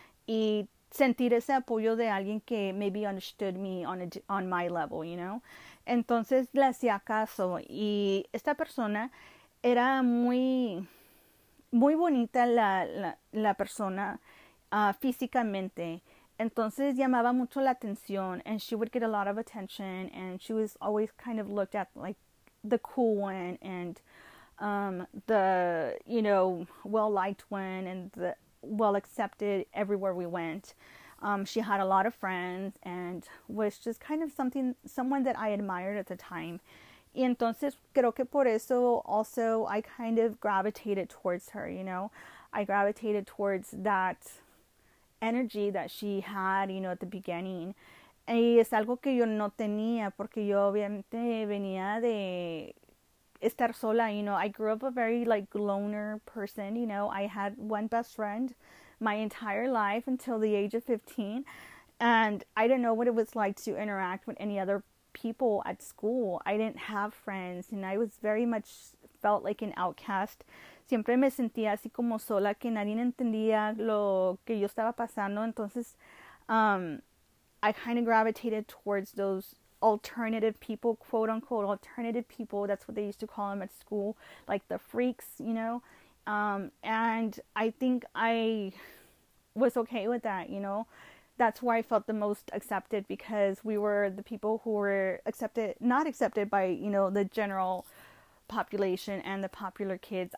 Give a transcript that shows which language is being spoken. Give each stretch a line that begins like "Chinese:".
Spanish: Y sentir ese apoyo de alguien que
English: maybe understood me on my level,
Spanish: Entonces le hacía caso y esta persona era muy, muy bonita la persona físicamente. Entonces llamaba mucho la atención
English: and she would get a lot of attention and she was always kind of looked at like the cool one and the, well-liked one and the well accepted everywhere we went. She had a lot of friends and was just kind of someone that I admired at the time.
Spanish: Y entonces creo que por eso
English: also I kind of gravitated towards her, I gravitated towards that energy that she had, at the beginning.
Spanish: Y es algo que yo no tenía porque yo obviamente venía de estar sola,
English: I grew up a very like loner person, I had one best friend my entire life until the age of 15, and I didn't know what it was like to interact with any other people at school. I didn't have friends, and I was very much felt like an outcast.
Spanish: Siempre me sentía así como sola, que nadie entendía lo que yo estaba pasando. Entonces,
English: I kind of gravitated towards those alternative people, quote unquote, alternative people. That's what they used to call them at school, like the freaks, and I think I was okay with that, you know? That's where I felt the most accepted, because we were the people who were accepted, not accepted by, you know, the general population and the popular kids.